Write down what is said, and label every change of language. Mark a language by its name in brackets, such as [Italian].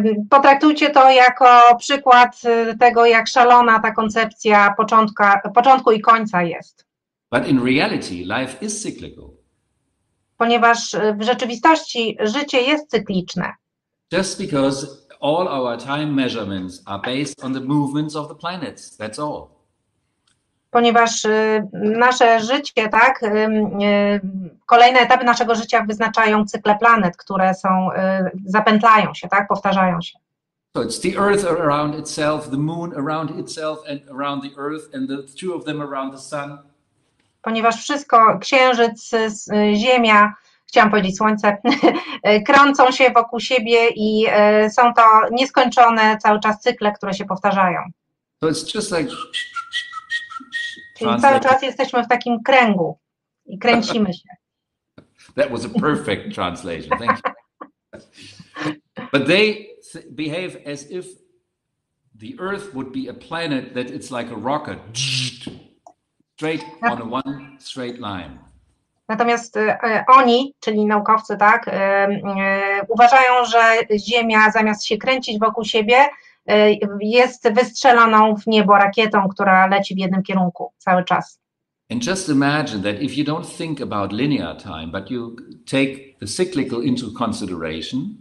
[Polish] Potraktujcie to jako przykład tego, jak szalona ta koncepcja początku i końca jest. [English] But in reality, life is cyclical. [Polish] Ponieważ w rzeczywistości życie jest cykliczne. [English] Just because all our time measurements are based on the movements of the planets, that's all. [Polish] Ponieważ nasze życie, tak, kolejne etapy naszego życia wyznaczają cykle planet, które są, zapętlają się, tak, powtarzają się. [English] So it's the Earth around itself, the Moon around itself and around the Earth and the two of them around the Sun. [Polish] Ponieważ wszystko, Księżyc, Ziemia, chciałam powiedzieć Słońce, krącą się wokół siebie i są to nieskończone cały czas cykle, które się powtarzają. [English] So it's just like... [Polish] Czyli cały czas jesteśmy w takim kręgu i kręcimy się. [English] That was a perfect translation. Thank you. But they behave as if the Earth would be a planet that it's like a rocket, straight on one straight line. [Polish] Natomiast oni, czyli naukowcy, tak, uważają, że Ziemia zamiast się kręcić wokół siebie jest wystrzeloną w niebo rakietą, która leci w jednym kierunku cały czas. [English] And just imagine that if you don't think about linear time, but you take the cyclical into consideration.